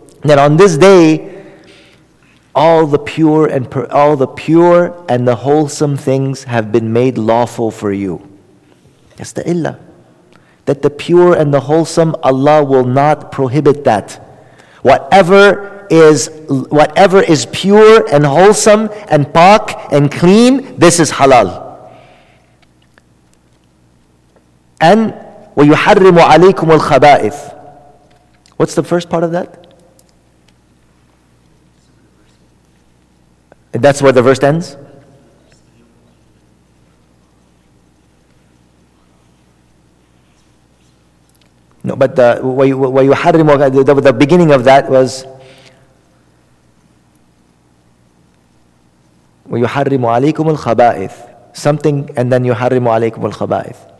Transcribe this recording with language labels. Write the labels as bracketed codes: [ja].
[en] Then on this day, all the pure and the wholesome things have been made lawful for you. That's the illa. That the pure and the wholesome, Allah will not prohibit that. Whatever is pure and wholesome and pak and clean, this is halal. [ar] And وَيُحَرِّمُ عَلَيْكُمُ الْخَبَائِثِ. [en] What's the first part of that? That's where the verse ends? No, but the beginning of that was [ar] وَيُحَرِّمُ عَلَيْكُمُ الْخَبَائِثِ [en] something, and then [ar] يُحَرِّمُ عَلَيْكُمُ الْخَبَائِثِ.